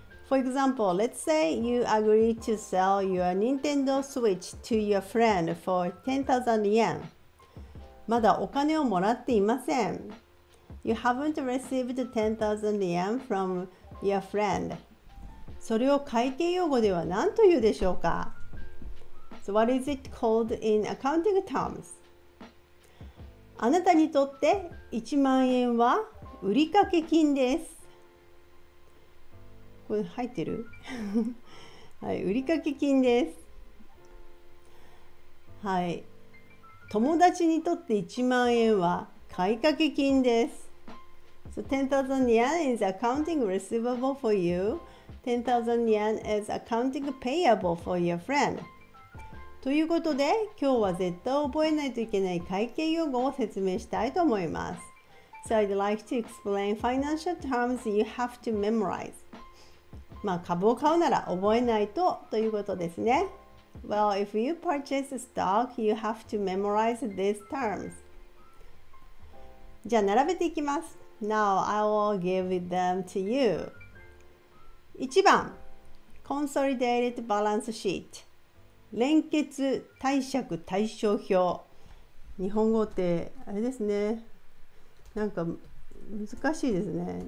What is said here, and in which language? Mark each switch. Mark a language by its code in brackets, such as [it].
[en] For example, let's say you agree to sell your Nintendo Switch to your friend for 10,000 yen. [ja] まだお金をもらっていません。 [en] You haven't received 10,000 yen from your friend. [ja] それを会計用語では何というでしょうか？ [en] So what is it called in accounting terms? [ja] あなたにとって1万円は売掛金です。これ入ってる？はい、売掛金です。はい、友達にとって1万円は買掛金です。 [en] So 10,000 yen is accounting receivable for you. 10,000 yen is accounting payable for your friend. [ja] ということで、今日は絶対覚えないといけない会計用語を説明したいと思います。 [en] So I'd like to explain financial terms you have to memorize. [ja] まあ、株を買うなら覚えないとということですね。 [en] Well, if you purchase a stock, you have to memorize these terms. [ja] じゃあ並べていきます。 [en] Now, I will give them to you. 1番、Consolidated Balance Sheet。 [ja] 連結貸借対照表。日本語ってあれですね。なんか難しいですね。